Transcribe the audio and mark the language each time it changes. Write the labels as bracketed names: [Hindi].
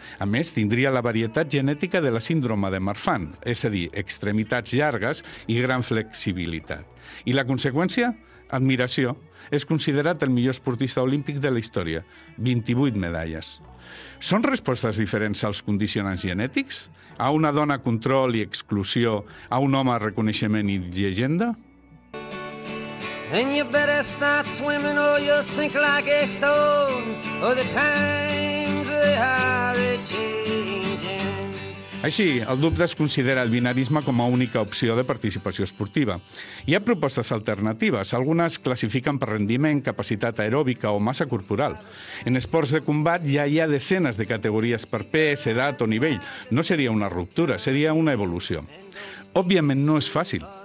[Catalan] A més, tindria la varietat genètica de la síndrome de Marfan, és a dir, extremitats llargues i gran flexibilitat. I la conseqüència? Admiració. És considerat el millor esportista olímpic de la història. 28 medalles. Són respostes diferents als condicionants genètics? A una dona control i exclusió, a un home reconeixement i llegenda? [English] And you better start swimming or you'll sink like a stone, or the times they are changing. [Catalan] Així, el dubte es considera el binarisme com a única opció de participació esportiva. Hi ha propostes alternatives. Algunes classifiquen per rendiment, capacitat aeròbica o massa corporal. En esports de combat ja hi ha desenes de categories per pes, edat o nivell. No seria una ruptura, seria una evolució. Òbviament no és fàcil.